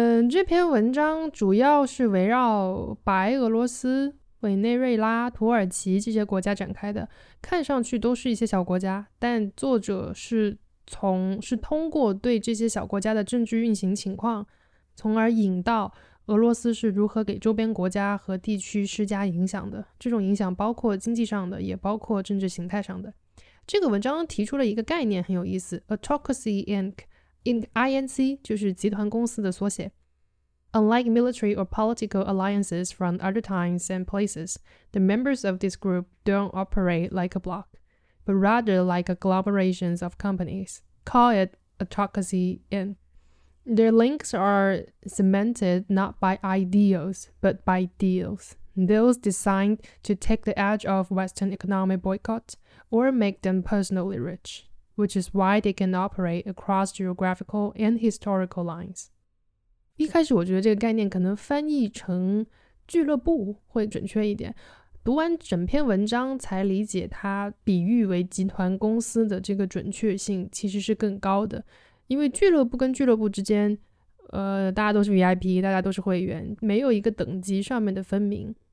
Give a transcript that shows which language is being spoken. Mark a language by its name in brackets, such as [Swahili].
[Chinese] 这篇文章主要是围绕白俄罗斯、委内瑞拉、土耳其这些国家展开的，看上去都是一些小国家，但作者是通过对这些小国家的政治运行情况，从而引到俄罗斯是如何给周边国家和地区施加影响的。这种影响包括经济上的，也包括政治形态上的。这个文章提出了一个概念很有意思， Autocracy Inc. 就是集团公司的缩写。 [English] Unlike military or political alliances from other times and places, the members of this group don't operate like a bloc. But rather like agglomerations of companies. Call it autocracy in. Their links are cemented not by ideals, but by deals. Deals designed to take the edge off Western economic boycott or make them personally rich, which is why they can operate across geographical and historical lines. [Chinese] 一开始我觉得这个概念可能翻译成俱乐部会准确一点，读完整篇文章才理解它比喻为集团公司的这个准确性其实是更高的。因为俱乐部跟俱乐部之间，大家都是 VIP， 大家都是会员，没有一个等级上面的分明。